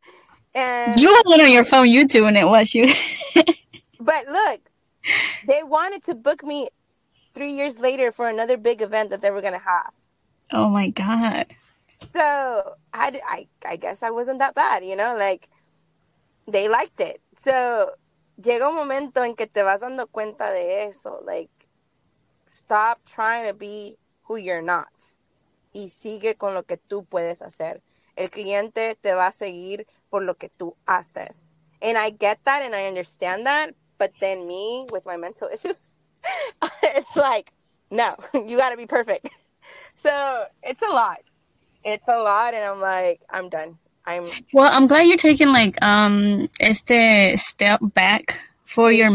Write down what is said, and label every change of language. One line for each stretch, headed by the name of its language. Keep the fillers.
English: and you were looking on your phone you youtube and it was not you but look they wanted to book me three years later for another big event that they were gonna have oh my god so I, I, I guess i wasn't that bad you know like they liked it.
Spanish: So llega un momento en que te vas dando cuenta de eso.
English: Like, stop trying to be who you're not.
Spanish: Y sigue con lo que tú puedes hacer. El cliente te va a seguir por lo que tú haces.
English: And I get that and I understand that. But then me, with my mental issues, it's like, no, you got to be perfect. So it's a lot. It's a lot. And I'm like, I'm done. I'm well. I'm glad you're taking like um este step back for your yeah.